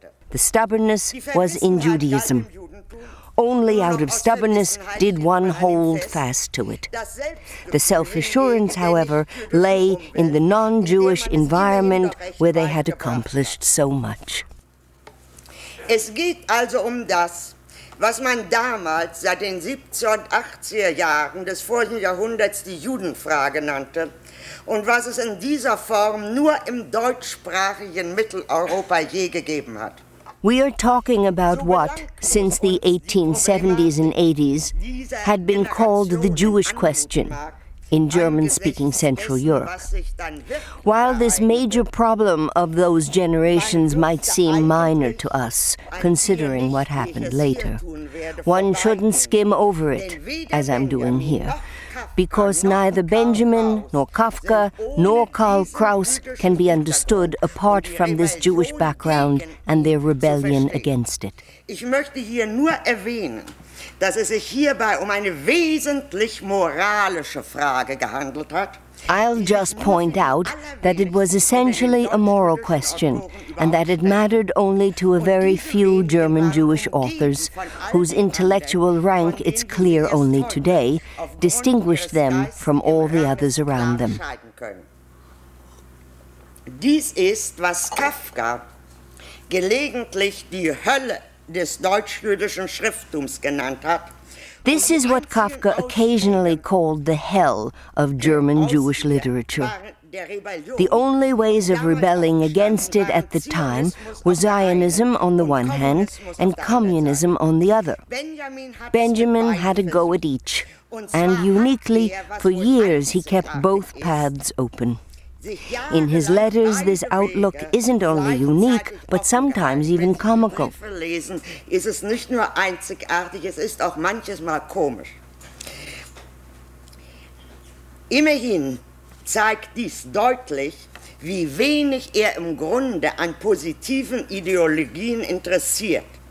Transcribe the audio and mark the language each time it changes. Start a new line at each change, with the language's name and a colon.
English: The stubbornness was in Judaism. Only out of stubbornness did one hold fast to it. The self-assurance, however, lay in the non-Jewish environment where they had accomplished so much.
German: Es geht also das, was man damals seit den 70er und 80er Jahren des vorigen Jahrhunderts die Judenfrage nannte und was es in dieser Form nur im deutschsprachigen Mitteleuropa je gegeben hat.
English: We are talking about what, since the 1870s and 80s, had been called the Jewish question, in German-speaking Central Europe. While this major problem of those generations might seem minor to us, considering what happened later, one shouldn't skim over it, as I'm doing here, because neither Benjamin, nor Kafka, nor Karl Kraus can be understood apart from this Jewish background and their rebellion against it.
German: Ich möchte hier nur erwähnen, dass es sich hierbei eine wesentlich moralische Frage gehandelt hat.
English: I'll just point out that it was essentially a moral question and that it mattered only to a very few German Jewish authors whose intellectual rank it's clear only today distinguished them from all the others around them.
German: Dies ist, was Kafka gelegentlich die Hölle des deutsch-jüdischen Schrifttums genannt hat.
English: This is what Kafka occasionally called the hell of German Jewish literature. The only ways of rebelling against it at the time were Zionism on the one hand and communism on the other. Benjamin had a go at each, and uniquely, for years he kept both paths open. In his letters, this outlook isn't only unique, but sometimes even comical.
German: Verlesen ist es nicht nur einzigartig, es ist auch manches Mal komisch. Immerhin zeigt dies deutlich, wie wenig im Grunde an positiven Ideologien interessiert.